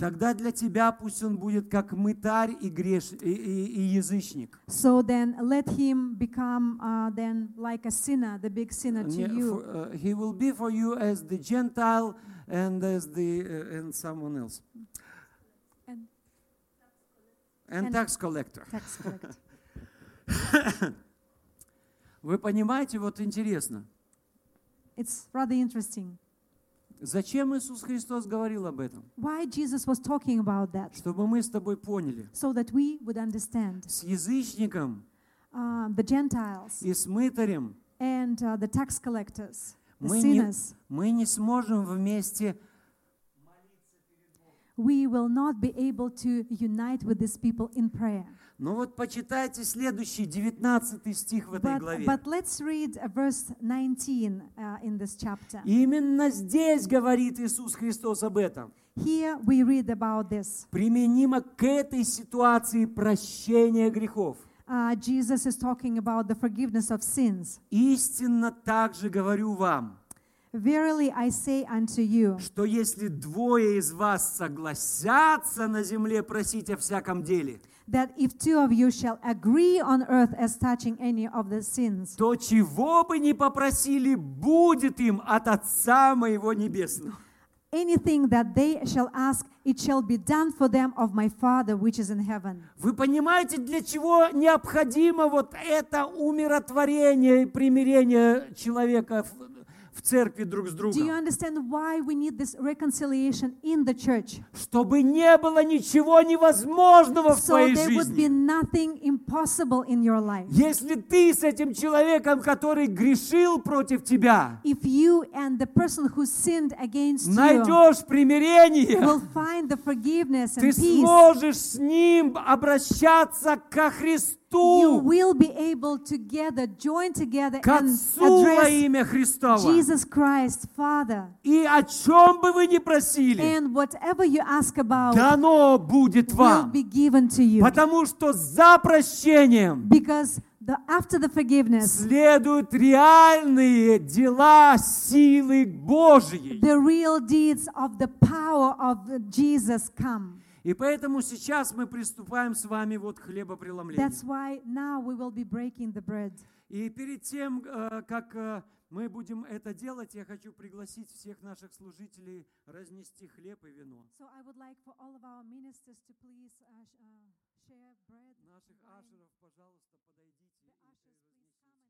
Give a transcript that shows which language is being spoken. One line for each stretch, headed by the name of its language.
Russian: тогда для тебя пусть он будет как мытарь и греш и язычник.
English: So then let him become then like a sinner, the big sinner to you. He will be for you as the Gentile and as the and someone else. And tax collector.
Russian: Вы понимаете, вот интересно.
English: It's rather interesting.
Russian: Зачем Иисус Христос говорил об этом?
English: Why Jesus was talking about that?
Russian: Чтобы мы с тобой поняли.
English: So that we would understand.
Russian: С язычником.
English: The Gentiles.
Russian: И с мытарем.
English: And the tax collectors.
Russian: Мы не сможем вместе.
English: We will not be able to unite with these people in prayer.
Russian: Ну вот почитайте следующий 19 стих в этой главе.
English: But let's read verse 19 in this chapter.
Russian: Именно здесь говорит Иисус Христос об этом.
English: Here we read about this.
Russian: Применимо к этой ситуации прощения грехов.
English: Jesus is talking about the forgiveness of sins.
Russian: Истинно так же говорю вам.
English: Verily I say unto you,
Russian: что если двое из вас согласятся на земле просить о всяком деле,
English: that if two of you shall agree on earth as touching any of the sins,
Russian: то чего бы ни попросили, будет им от Отца моего небесного.
English: Anything that they shall ask, it shall be done for them of my Father which is in heaven.
Russian: Вы понимаете, для чего необходимо вот это умиротворение и примирение человека в церкви друг с другом?
English: Do you understand why we need this reconciliation in the church?
Russian: Чтобы не было ничего невозможного в твоей жизни.
English: So there would be nothing impossible in your life.
Russian: Если ты с этим человеком, который грешил против тебя,
English: if you and the person who sinned against you,
Russian: найдешь примирение,
English: will find the forgiveness and
Russian: ты
English: peace,
Russian: сможешь с ним обращаться ко Христу.
English: You will be able to gather, join together
Russian: к Отцу во имя Христова.
English: Jesus Christ, Father.
Russian: И о чем бы вы ни просили,
English: and whatever you ask about,
Russian: дано будет вам.
English: Will be given to you.
Russian: Потому что за прощением,
English: because the, after the forgiveness,
Russian: следуют реальные дела силы Божьей.
English: The real deeds of the power of Jesus come.
Russian: И поэтому сейчас мы приступаем с вами вот к хлебопреломлению.
English: That's why now we will be breaking the bread.
Russian: И перед тем, как мы будем это делать, я хочу пригласить всех наших служителей разнести хлеб и вино.
English: So I would like for all of our ministers to please share bread.
Russian: Наших ашеров, пожалуйста, подойдите.